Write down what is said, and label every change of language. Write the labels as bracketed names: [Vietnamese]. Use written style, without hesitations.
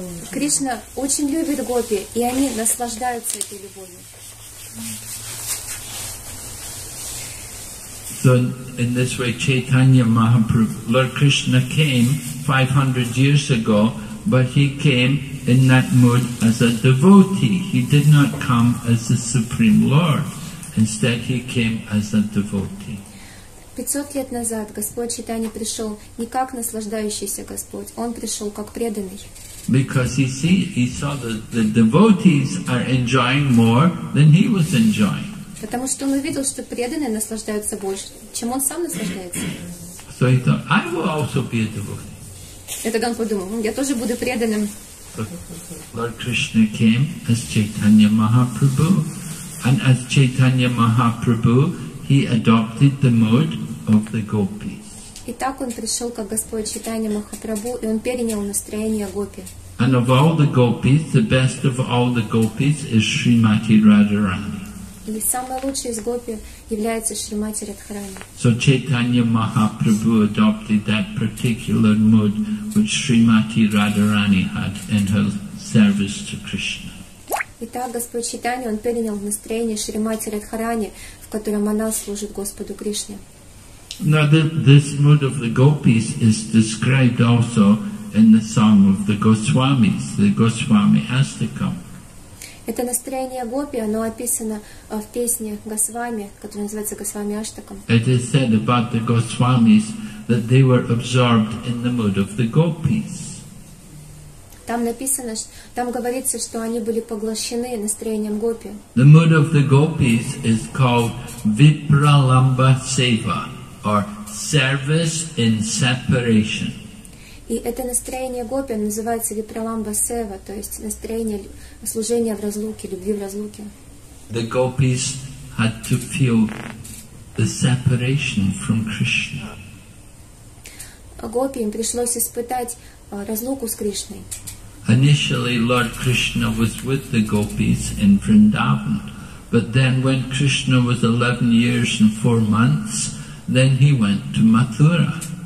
[Russian] Кришна очень любит гопи, и они наслаждаются этой любовью. [English] So in this way, Chaitanya Mahaprabhu, Lord Krishna came 500 years ago, but he came in that mood as a devotee. He did not come as the Supreme Lord. Instead, he came as a devotee. [Russian] 500 лет назад Господь Чайтанья пришел не как наслаждающийся Господь, он пришел как преданный. [English] Because he saw that the devotees are enjoying more than he was enjoying. [Russian] Потому что он увидел, что преданные наслаждаются больше, чем он сам наслаждается. [English] So he thought, I will also be a devotee. [Russian] И тогда он подумал, я тоже буду преданным. [English] Lord Krishna came as Chaitanya Mahaprabhu, and as Chaitanya Mahaprabhu, he adopted the mood of the gopis. [Russian] И так он пришел как Господь Чайтанья Махапрабху, и он перенял настроение гопи. [English] And of all the gopis, the best of all the gopis is Srimati Radharani. [Russian] И самый лучший из гопи является Шримати Радхарани. [English] So Chaitanya Mahaprabhu adopted that particular mood which Srimati Radharani had in her service to Krishna. [Russian] Итак, Господь Чайтанья, он перенял настроение Шримати Радхарани, в котором она служит Господу Кришне. [English] Now this mood of the gopis is described also in the song of the Goswamis, the Goswami Astakam. [Russian] Это настроение гопи, оно описано в песне Госвами, которая называется Госвами Аштакам. [English] It is said about the Goswamis that they were absorbed in the mood of the gopis. [Russian] Там написано, там говорится, что они были поглощены настроением гопи. [English] The mood of the gopis is called Vipralamba Seva, or service in separation. [Russian] И это настроение гопи называется випраламба сева, то есть настроение служения в разлуке, любви в разлуке. [English] The gopis had to feel the separation from Krishna. [Russian] Гопи им пришлось испытать разлуку с Кришной. [English] Initially, Lord Krishna was with the gopis in Vrindavan, but then when Krishna was 11 years and 4 months, then he went to Mathura.